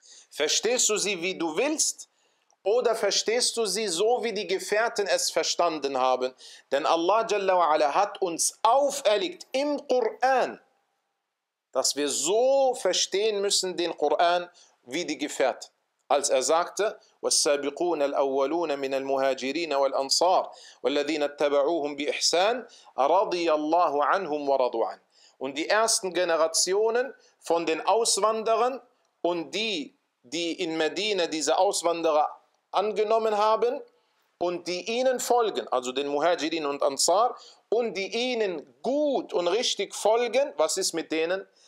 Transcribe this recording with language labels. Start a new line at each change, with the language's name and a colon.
German: Verstehst du sie, wie du willst? Oder verstehst du sie so, wie die Gefährten es verstanden haben? Denn Allah jalla wa ala hat uns auferlegt im Koran, dass wir so verstehen müssen den Koran wie die Gefährten. Als er sagte,
Arabic: والسابقون الأولون من المهاجرين والأنصار والذين اتبعوهم بإحسان رضي الله عنهم ورضوا عنه.
German: Und die ersten Generationen von den Auswanderern und die in Medina diese Auswanderer angenommen haben und die ihnen folgen, also den Muhajirin und Ansar, und die ihnen gut und richtig folgen, was ist mit denen?